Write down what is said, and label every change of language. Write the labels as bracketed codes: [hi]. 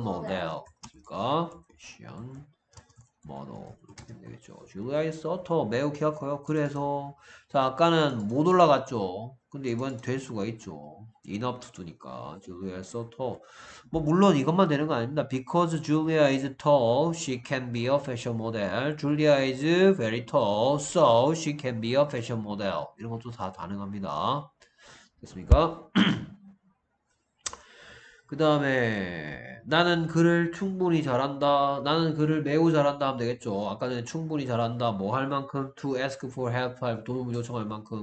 [en] model. [ko] model. 그니까 fashion model 이렇게 되겠죠. [en] Julia is so tall. [ko] 매우 키가 커요. 그래서 자 아까는 못 올라갔죠. 근데 이번엔 될 수가 있죠. [en] enough to do니까. Julia is so tall. [ko] 뭐 물론 이것만 되는 거 아닙니다. [en] Because Julia is tall, she can be a fashion model. Julia is very tall, so she can be a fashion model. [ko] 이런 것도 다 가능합니다. 됐습니까? 그 다음에 나는 그를 충분히 잘한다. 나는 그를 매우 잘한다 하면 되겠죠. 아까 전에 충분히 잘한다. 뭐할 만큼? [en] To ask for help, [ko] 도움을 요청할 만큼.